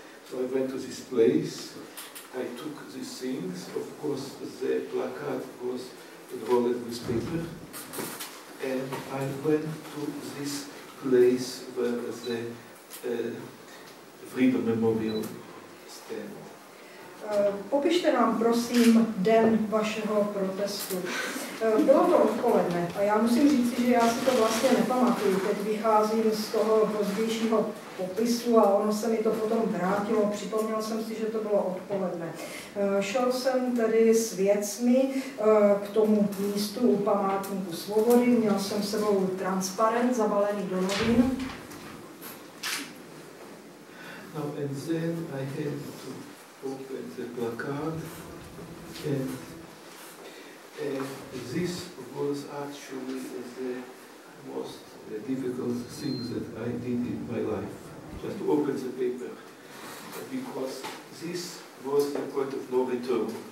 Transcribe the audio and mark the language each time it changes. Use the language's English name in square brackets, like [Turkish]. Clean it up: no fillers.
[English] So I went to this place, I took these things, of course the placard was rolled with paper, and I went to this place where the Freedom Memorial stands. [Czech] Popište nám prosím den vašeho protestu. Bylo to odpoledne a já musím říct, že já si to vlastně nepamatuju. Teď vycházím z toho pozdějšího popisu a ono se mi to potom vrátilo. Připomněl jsem si, že to bylo odpoledne. Šel jsem tedy s věcmi k tomu místu u památníku svobody. Měl jsem sebou transparent zabalený do novin. [English] No, and then I had to open the placard, and this was actually the most difficult thing that I did in my life, just to open the paper, because this was the point of no return.